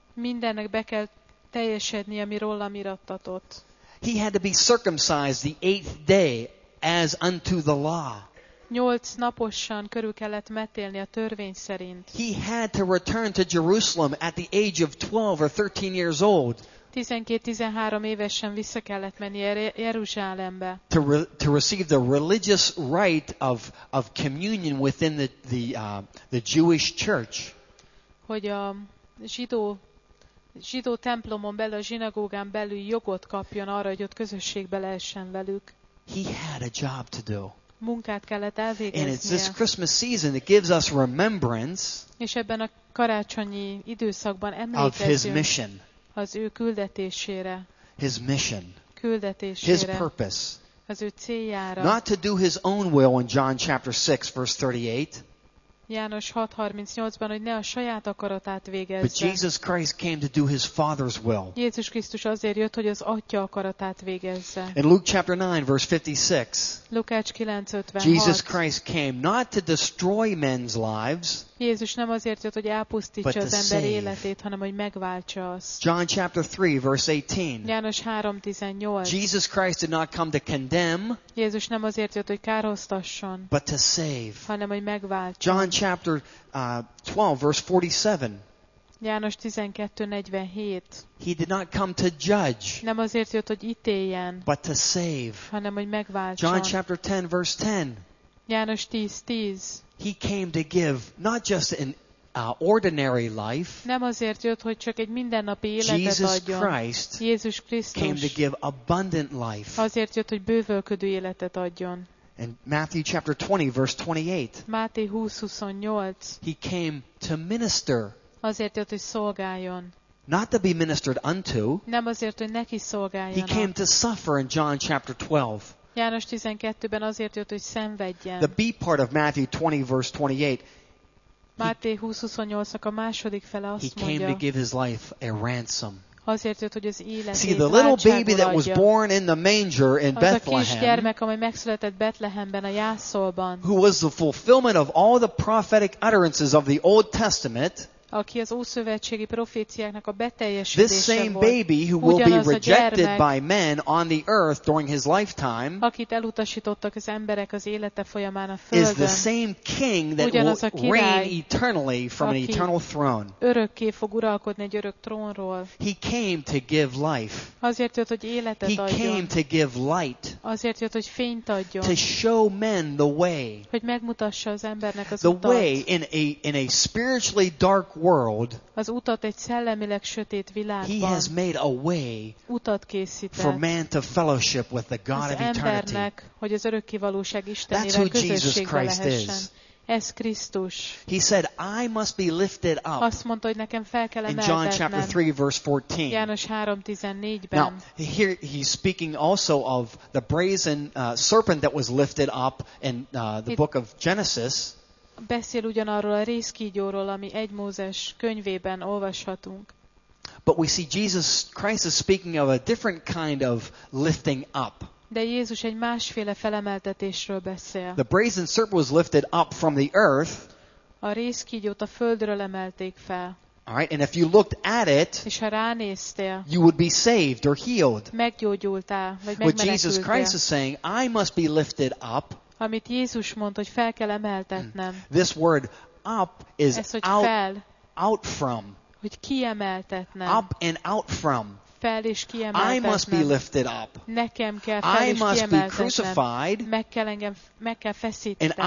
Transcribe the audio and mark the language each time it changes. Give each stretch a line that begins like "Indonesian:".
Hungarian: Mindennek be kell teljesedni, ami rólam irattatott.
English: He had to be circumcised the eighth day as unto the law.
Hungarian: 8 naposan körül kellett metélni a törvény szerint.
English: He had to return to Jerusalem at the age of 12 or 13 years old.
Hungarian: 12-13 évesen vissza kellett menni Jeruzsálembe.
English: To receive the religious rite of communion within the Jewish church.
Hungarian: Hogy a zsidó templomon belül, a zsinagógán belül jogot kapjon arra, hogy ott közösségbe lehessen velük.
English: He had a job to do.
Hungarian: Munkát kellett elvégeznie.
English: And it's this Christmas season that gives us remembrance.
Hungarian: És ebben a karácsonyi időszakban emlékezünk.
English: Of his mission.
Hungarian: Az ő küldetésére.
English: His mission.
Hungarian: Küldetésére.
English: His purpose.
Hungarian: Az ő céljára.
English: Not to do his own will in John chapter 6 verse 38.
Hungarian: János 6:38-ban, hogy ne a saját akaratát végezze.
English: But Jesus Christ came to do his father's will.
Hungarian: Jézus Krisztus azért jött, hogy az atya akaratát végezze.
English: In Luke chapter 9 verse 56.
Hungarian: Lukács 9:56.
English: Jesus Christ came not to destroy men's lives.
Hungarian: Jézus nem azért jött, hogy elpusztítsa az ember életét, hanem hogy megváltsa azt.
English: John chapter 3 verse 18.
Hungarian: János 3:18.
English: Jesus Christ did not come to condemn.
Hungarian: Jézus nem azért jött, hogy károsztasson.
English: But to save.
Hungarian: Hanem hogy megváltsa.
English: John chapter 12 verse 47.
Hungarian: János 12:47.
English: He did not come to judge.
Hungarian: Nem azért jött, hogy ítéljen.
English: But to save.
Hungarian: Hanem hogy megváltsa.
English: John chapter 10 verse 10.
Hungarian: János 10:10.
English: He came to give not just an ordinary life.
Hungarian: Nem azért jött, hogy csak egy mindennapi életet
English: Jesus
Hungarian: adjon.
English: Christ
Hungarian: Jézus Krisztus
English: came to give abundant life.
Hungarian: Azért jött, hogy bővölködő életet adjon.
English: In Matthew chapter 20 verse 28.
Hungarian: Máté 20:28.
English: He came to minister.
Hungarian: Azért jött, hogy szolgáljon.
English: Not to be ministered unto.
Hungarian: Nem azért, hogy neki szolgáljanak.
English: He came to suffer in John chapter 12.
Hungarian: János 12-ben azért jött, hogy szenvedjen.
English: The B part of Matthew 20 verse 28.
Hungarian: Máté 20:28-nak a második fele azt
English: he
Hungarian: mondja.
English: He came to give his life a ransom.
Hungarian: Azért jött, hogy az életét
English: See, the little baby that was born in the manger in Bethlehem,
Hungarian: az a kisgyermek, amely megszületett Bethlehemben, a jászolban,
English: who was the fulfillment of all the prophetic utterances of the Old Testament,
Hungarian: aki az ószövetségi proféciáknak a beteljesítése
English: This same
Hungarian: volt,
English: baby who will be rejected by men on the earth during his lifetime,
Hungarian: akit elutasítottak az emberek az élete folyamán a földön,
English: is the same king that will reign eternally from an eternal throne.
Hungarian: Örökké fog uralkodni egy örök trónról.
English: He came to give life.
Hungarian: Azért jött, hogy életet
English: He
Hungarian: adjon.
English: He came to give light.
Hungarian: Azért jött, hogy fényt adjon.
English: To show men the way.
Hungarian: Hogy megmutassa az embernek az
English: the
Hungarian: utat.
English: The way in a spiritually dark world.
Hungarian: Az utat egy szellemileg sötét világban.
English: He has made a way
Hungarian: utat készített
English: for man to fellowship with the God
Hungarian: az
English: of eternity.
Hungarian: Embernek, hogy az örökkivalóság Istenével
English: That's who Jesus Christ is.
Hungarian: Ez Krisztus.
English: He said, I must be lifted up.
Hungarian: Azt mondta, hogy nekem fel kell emelkednem.
English: In John chapter 3, verse 14.
Hungarian: János 3:14-ben.
English: Now, here he's speaking also of the brazen serpent that was lifted up in the book of Genesis.
Hungarian: Beszél ugyanarról a részkígyóról, ami egy Mózes könyvében olvashatunk.
English: But we see Jesus Christ is speaking of a different kind of lifting up.
Hungarian: De Jézus egy másféle felemeltetésről beszél.
English: The brazen serpent was lifted up from the earth.
Hungarian: A részkígyót a földről emelték fel.
English: All right, and if you looked at it,
Hungarian: és ha ránéztél,
English: you would be saved or healed.
Hungarian: Meggyógyultál, vagy megmeneküldtél.
English: What Jesus Christ is saying, I must be lifted up.
Hungarian: Amit Jézus mond, hogy fel kell emeltetnem.
English: This word up is
Hungarian: ez, hogy
English: out,
Hungarian: fel,
English: out from.
Hungarian: Hogy kiemeltetnem.
English: Up and out from.
Hungarian: Fel és kiemeltetnem.
English: I must be lifted up.
Hungarian: Nekem kell fel
English: I
Hungarian: és
English: must
Hungarian: kiemeltetnem.
English: Be crucified.
Hungarian: Meg kell engem, meg kell feszítetnem.